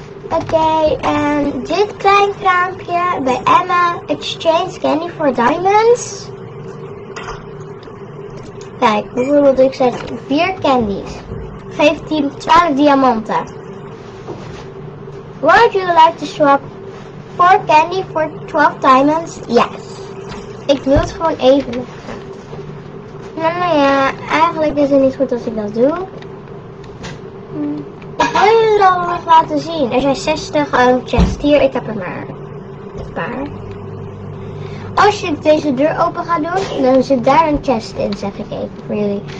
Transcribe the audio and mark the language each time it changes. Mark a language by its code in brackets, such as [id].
[nl] Oké, dit klein kraampje bij Emma Exchange Candy for Diamonds. Kijk, bijvoorbeeld ik zeg 4 candies. Geef die 12 diamanten. [en] Would you like to swap 4 candy for 12 diamonds? [nl] Yes. Ik wil het gewoon even. Nou ja, eigenlijk is het niet goed als ik dat doe. Ik wil jullie dat nog laten zien. Er zijn 60 chests hier. Ik heb er maar een paar. Als je deze deur open gaat doen, dan zit daar een chest in, zeg ik even voor jullie.